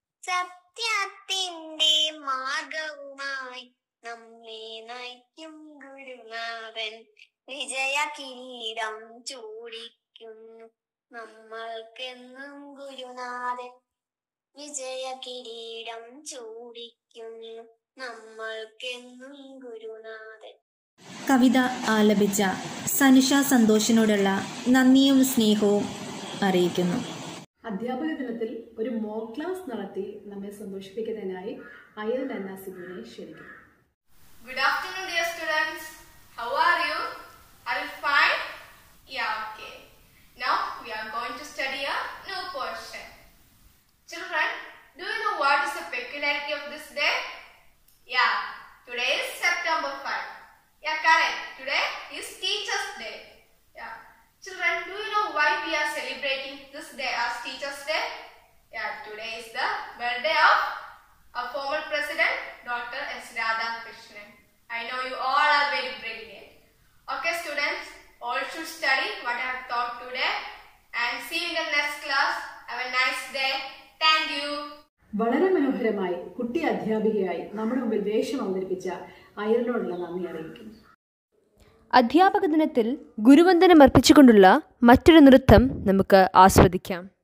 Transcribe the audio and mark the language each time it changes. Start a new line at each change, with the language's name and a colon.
Malayalam: സത്യത്തിൻ്റെ മാർഗവുമായി നമ്മെ നയിക്കും ഗുരുനാഥൻ വിജയ കിരീടം ചൂടിക്കുന്നു നമ്മൾക്കെന്നും ഗുരുനാഥൻ വിജയ കിരീടം ചൂടിക്കുന്നു നമ്മൾക്കെന്നും ഗുരുനാഥൻ. കവിത ആലപിച്ച സനുഷ സന്തോഷിനോടുള്ള നന്ദിയും സ്നേഹവും അറിയിക്കുന്നു. അധ്യാപക ദിനത്തിൽ ഒരു മോക്ക് ക്ലാസ് നടത്തി നമ്മെ സന്തോഷിപ്പിക്കുന്നതിനായി അയൽ എന്ന സിബിനെ ക്ഷണിക്കുന്നു.
English: Good afternoon dear students, how are you? I'll fine. Yeah, okay. Now we are going to study a new portion. Children, do you know what is the peculiarity of this day? Yeah, today is September 5. Yeah, correct. Today is Teacher's Day. Yeah. Children, do you know why we are celebrating this day as Teacher's Day? Yeah, today is the birthday of a former president, Dr. S. Radhakrishnan. I know you all are very brilliant. Okay, students, all should study what I have taught today. And see you in the next class. Have a nice day. Thank you.
Malayalam: വളരെ മനോഹരമായി കുട്ടി അധ്യാപികയായി നമ്മുടെ മുമ്പിൽ വേഷം അവതരിപ്പിച്ച അയലിനോടുള്ള നന്ദി അറിയിക്കുന്നു. അധ്യാപക ദിനത്തിൽ ഗുരുവന്ദനം അർപ്പിച്ചുകൊണ്ടുള്ള മറ്റൊരു നൃത്തം നമുക്ക് ആസ്വദിക്കാം.